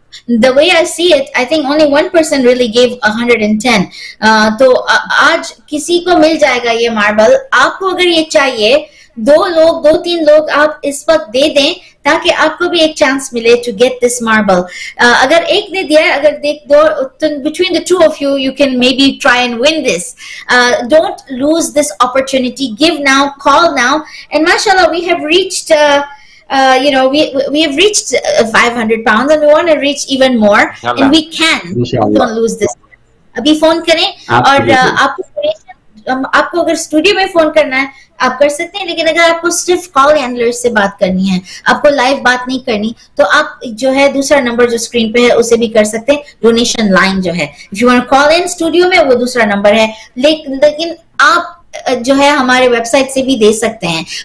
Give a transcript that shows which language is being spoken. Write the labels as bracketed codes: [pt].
[en] the way I see it I think only 1% really give 110, [hi] तो आज किसी को मिल जाएगा ये मार्बल। आपको अगर ये चाहिए, दो तीन लोग आप इस वक्त दे दें ताकि आपको भी एक चांस मिले [en] To get this marble. [hi] अगर एक ने दिया है, अगर देख दो, [en] Between the two of you you can maybe try and win this. Don't lose this opportunity, give now, call now, and माशाल्लाह we have reached we have reached 500 pounds and we want to reach even more and we can, don't lose this. [hi] अभी phone करें और आपको अगर studio में phone करना है आप कर सकते हैं, लेकिन अगर आपको सिर्फ कॉल हैंडलर से बात करनी है, आपको लाइव बात नहीं करनी, तो आप जो है दूसरा नंबर जो स्क्रीन पे है उसे भी कर सकते हैं। डोनेशन लाइन जो है, [en] if you want to call in [hi] studio में वो दूसरा नंबर है, लेकिन आप जो है हमारे वेबसाइट से भी दे सकते हैं।